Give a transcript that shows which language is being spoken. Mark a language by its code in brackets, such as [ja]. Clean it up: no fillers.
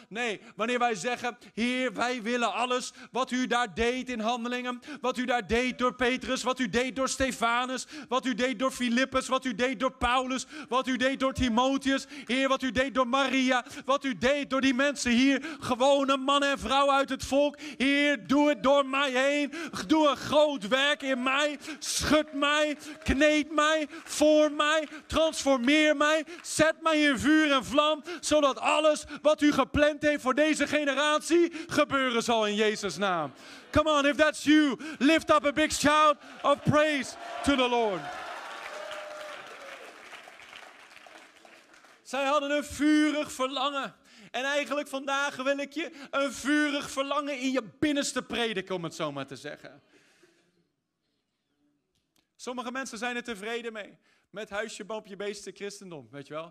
[nl] Nee, wanneer wij zeggen, Heer, wij willen alles wat u daar deed in Handelingen, wat u daar deed door Petrus, wat u deed door Stefanus, wat u deed door Filippus, wat u deed door Paulus, wat u deed door Timotheus, Heer, wat u deed door Maria, wat u deed door die mensen hier, gewone mannen en vrouwen uit het volk, Heer, doe het door mij heen, doe een groot werk in mij, schud mij, kneed mij, vorm mij, transformeer mij, zet mij in vuur en vlam, zodat alles wat u gepland heeft voor deze generatie gebeuren zal in Jezus' naam. [en] Come on, if that's you, lift up a big shout of praise to the Lord. [nl] Zij hadden een vurig verlangen. En eigenlijk vandaag wil ik je een vurig verlangen in je binnenste prediken, om het zo maar te zeggen. Sommige mensen zijn er tevreden mee. Met huisje, boompje, beestje, christendom, weet je wel.